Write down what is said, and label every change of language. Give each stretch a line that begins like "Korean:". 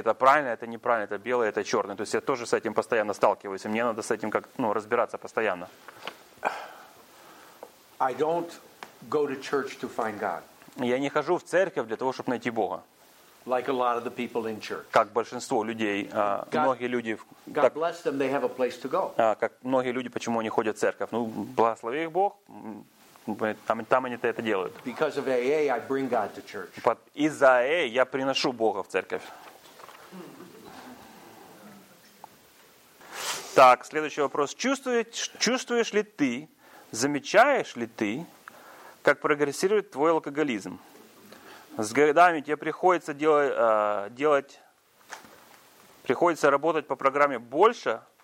Russian: Это правильно, это неправильно, это белое, это черное. То есть я тоже с этим постоянно сталкиваюсь, и мне надо с этим разбираться постоянно.
English: I don't go to church to find God.
Russian: Я не хожу в церковь для того, чтобы найти Бога.
English: Like a lot of the people in church.
Russian: Как большинство людей, многие люди.
English: God bless them, they have a place to go.
Russian: Как многие люди, почему они ходят в церковь? Ну, благослови их Бог, там они это делают.
English: Because of AA, I bring God to church.
Russian: Из-за AA я приношу Бога в церковь. Так, следующий вопрос. Чувствуешь ли ты, замечаешь ли ты, как прогрессирует твой алкоголизм? С годами тебе приходится приходится работать по программе больше.